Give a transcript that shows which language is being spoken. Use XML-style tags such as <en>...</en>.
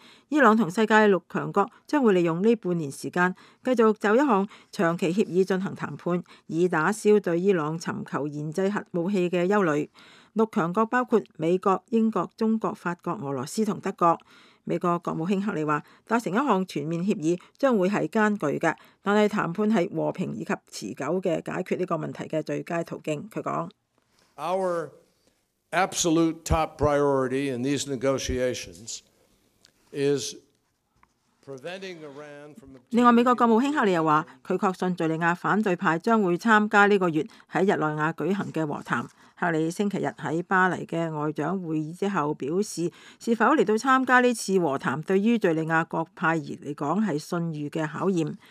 <zh>伊朗和世界六强国将会利用这半年时间继续就一项长期协议进行谈判，以打消对伊朗寻求研制核武器的忧虑。六强国包括美国、英国、中国、法国、俄罗斯和德国。美国国务卿克里说，达成一项全面协议将会是艰巨的，但是谈判是和平以及持久的解决这个问题的最佳途径。他说，</zh> <en>Our absolute top priority in these negotiations is preventing Iran from the...</en> <zh>另外，美国国务卿克里又说，他确信叙利亚反对派将会参加这个月在日内瓦举行的和谈。克里星期日在巴黎的外长会议之后表示，是否来到参加这次和谈对于叙利亚各派而来讲是信誉的考验。</zh>